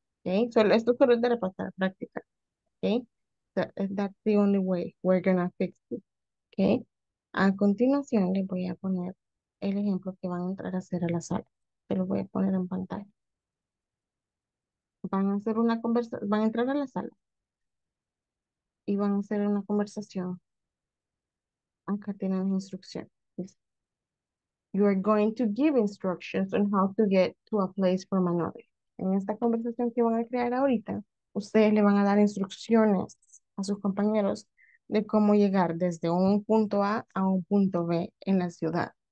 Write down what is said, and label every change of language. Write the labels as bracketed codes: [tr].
[es] Okay, so esto solo es de repasar, práctica. [en] Okay, that's the only way we're gonna fix it. [es] Okay, a continuación le voy a poner el ejemplo que van a entrar a hacer a la sala. Se lo voy a poner en pantalla. Van a hacer una conversación, van a entrar a la sala y van a hacer una conversación. Acá tienen instrucciones. [en] You are going to give instructions on how to get to a place from another. [es] En esta conversación que van a crear ahorita, ustedes le van a dar instrucciones a sus compañeros de cómo llegar desde un punto A a un punto B en la ciudad.